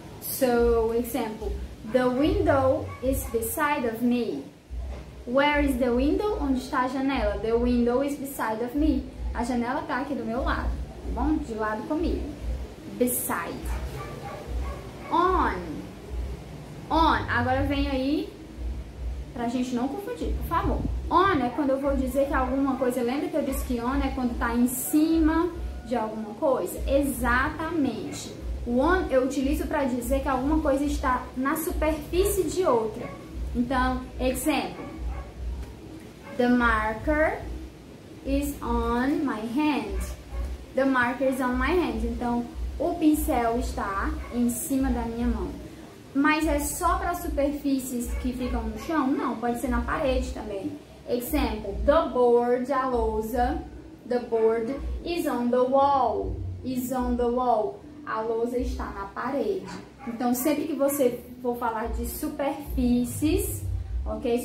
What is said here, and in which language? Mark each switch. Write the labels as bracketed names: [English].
[English] So, example, the window is beside of me. Where is the window? [Portuguese] Onde está a janela? [English] The window is beside of me. [Portuguese] A janela tá aqui do meu lado, tá bom? De lado comigo. Beside. On. On. Agora vem aí, pra gente não confundir, por favor. On é quando eu vou dizer que alguma coisa, lembra que eu disse que on é quando tá em cima de alguma coisa? Exatamente. O on eu utilizo para dizer que alguma coisa está na superfície de outra. Então, exemplo. [English] The marker is on my hand. The marker is on my hand. [Portuguese] Então, o pincel está em cima da minha mão. Mas é só para superfícies que ficam no chão? Não, pode ser na parede também. [English] Example, the board, [Portuguese] a lousa, [English] the board is on the wall, is on the wall. [Portuguese] A lousa está na parede. Então, sempre que você for falar de superfícies, ok?